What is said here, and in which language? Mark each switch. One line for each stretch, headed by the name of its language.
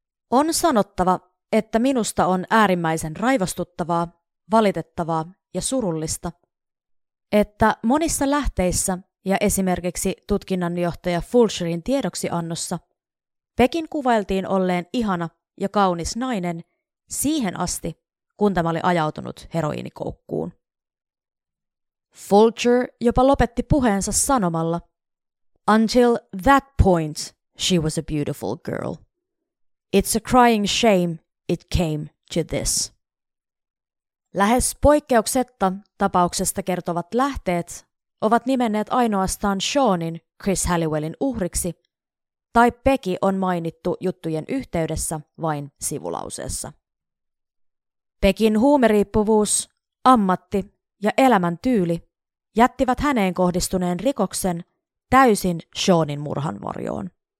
Finnish: On sanottava, että minusta on äärimmäisen raivostuttavaa, valitettavaa ja surullista, että monissa lähteissä ja esimerkiksi tutkinnanjohtaja Fulcherin tiedoksiannossa Pekin kuvailtiin olleen ihana ja kaunis nainen siihen asti, kun tämä oli ajautunut heroiinikoukkuun. Fulcher jopa lopetti puheensa sanomalla,
English: "Until that point, she was a beautiful girl. It's a crying shame it came to this."
Finnish: Lähes poikkeuksetta tapauksesta kertovat lähteet ovat nimenneet ainoastaan Seanin Chris Halliwellin uhriksi, tai Peki on mainittu juttujen yhteydessä vain sivulauseessa. Pekin huumeriippuvuus, ammatti ja elämäntyyli jättivät häneen kohdistuneen rikoksen täysin Seanin murhan varjoon.